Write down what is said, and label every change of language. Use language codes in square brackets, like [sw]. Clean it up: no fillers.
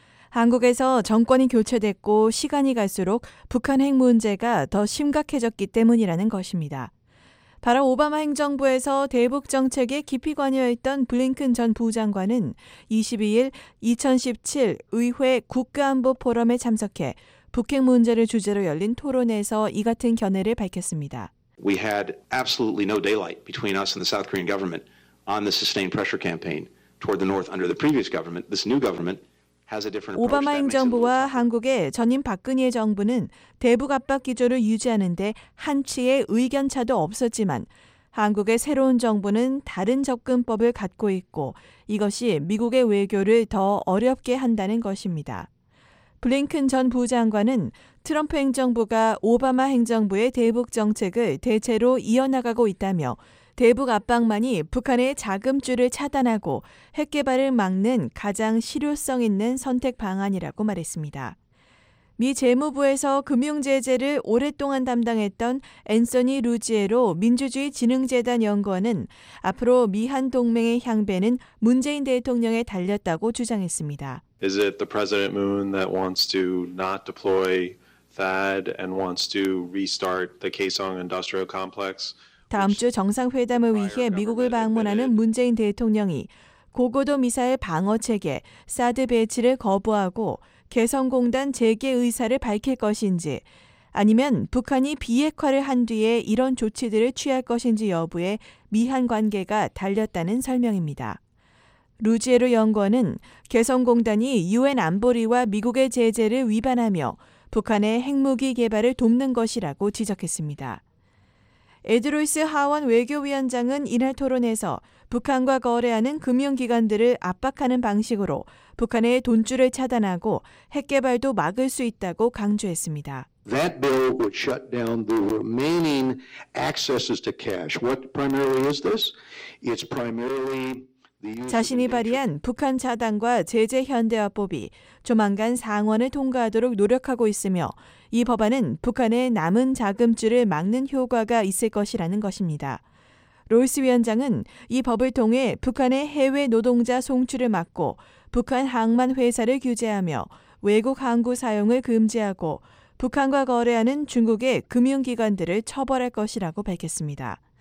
[ko] 한국에서 정권이 교체됐고 시간이 갈수록 북한 핵 문제가 더 심각해졌기 때문이라는 것입니다. 바로 오바마 행정부에서 대북 정책에 깊이 관여했던 블링큰 전 부장관은 22일 2017 의회 국가안보 포럼에 참석해 북핵 문제를 주제로 열린 토론에서 이 같은 견해를 밝혔습니다. [en] We had absolutely no daylight between us and the South Korean government on the sustained pressure campaign toward the North under the previous government. This new government [ko] 오바마 행정부와 한국의 전임 박근혜 정부는 대북 압박 기조를 유지하는 데 한치의 의견차도 없었지만 한국의 새로운 정부는 다른 접근법을 갖고 있고 이것이 미국의 외교를 더 어렵게 한다는 것입니다. 블링큰 전 부장관은 트럼프 행정부가 오바마 행정부의 대북 정책을 대체로 이어나가고 있다며 대북 압박만이 북한의 자금줄을 차단하고 핵 개발을 막는 가장 실효성 있는 선택 방안이라고 말했습니다. 미 재무부에서 금융 제재를 오랫동안 담당했던 앤서니 루지에로 민주주의 진흥재단 연구원은 앞으로 미한 동맹의 향배는 문재인 대통령에 달렸다고 주장했습니다. [en] Is it the President Moon that wants to not deploy THAAD and wants to restart the Kaesong Industrial Complex? [ko] 다음 주 정상회담을 위해 미국을 방문하는 문재인 대통령이 고고도 미사일 방어체계 사드 배치를 거부하고 개성공단 재개 의사를 밝힐 것인지 아니면 북한이 비핵화를 한 뒤에 이런 조치들을 취할 것인지 여부에 미한 관계가 달렸다는 설명입니다. 루지에르 연구원은 개성공단이 유엔 안보리와 미국의 제재를 위반하며 북한의 핵무기 개발을 돕는 것이라고 지적했습니다. 에드로이스 하원 외교위원장은 이날 토론에서 북한과 거래하는 금융기관들을 압박하는 방식으로 북한의 돈줄을 차단하고 핵 개발도 막을 수 있다고 강조했습니다. [en] That bill would shut down the remaining accesses to cash. What primarily is this? It's primarily [ko] 자신이 발의한 북한 차단과 제재 현대화법이 조만간 상원을 통과하도록 노력하고 있으며 이 법안은 북한의 남은 자금줄을 막는 효과가 있을 것이라는 것입니다. 로이스 위원장은 이 법을 통해 북한의 해외 노동자 송출을 막고 북한 항만 회사를 규제하며 외국 항구 사용을 금지하고 북한과 거래하는 중국의 금융기관들을 처벌할 것이라고 밝혔습니다.